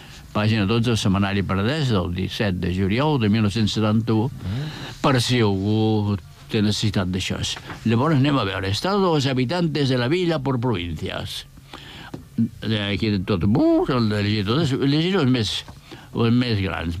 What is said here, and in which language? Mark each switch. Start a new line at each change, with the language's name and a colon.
Catalan: Pàgina 12 del setmanari Penedès del 17 de juliol de 1971, per si algú té necessitat d'això. Llavors anem a veure.
Spanish: Estado de los habitantes de la villa por provincias.
Catalan: Aquí de tot, llegir-ho els més grans.